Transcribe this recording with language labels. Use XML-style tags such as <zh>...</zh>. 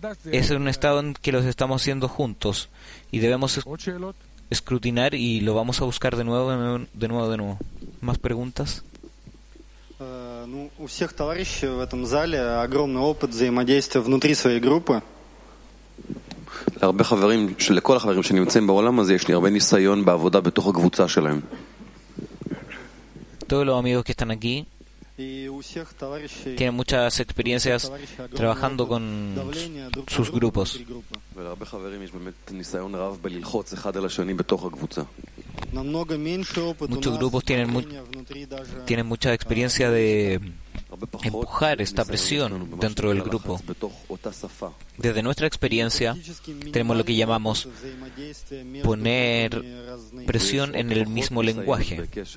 <es>Es un estado en que los estamos haciendo juntos y debemos escrutinar, y lo vamos a buscar de nuevo. ¿Más preguntas?</es> <ru>У всех товарищей в этом зале огромный опыт взаимодействия внутри своей группы.</ru> <he>הרבה חברים, לכל החברים שנמצאים בעולם הזה, יש לי הרבה ניסיון בעבודה בתוך הקבוצה שלהם.</he> <es>Todos los amigos que están aquí tienen muchas experiencias trabajando con sus grupos.</es> <he>הרבה חברים, יש באמת ניסיון רב בללחוץ אחד על השני בתוך הקבוצה.</he> <es>Muchos grupos tienen mucha experiencia de empujar esta presión dentro del grupo. Desde nuestra experiencia, tenemos lo que llamamos poner presión en el mismo lenguaje.</es>